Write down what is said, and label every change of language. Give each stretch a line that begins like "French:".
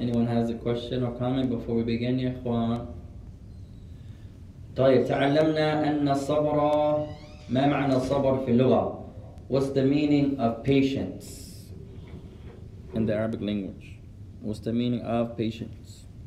English: Anyone has a question or comment before we begin,
Arabic: يا إخوان? طيب. تعلمنا أن الصبر ما معنى الصبر في اللغة?
English: What's the meaning of patience in the Arabic language? What's the meaning of patience?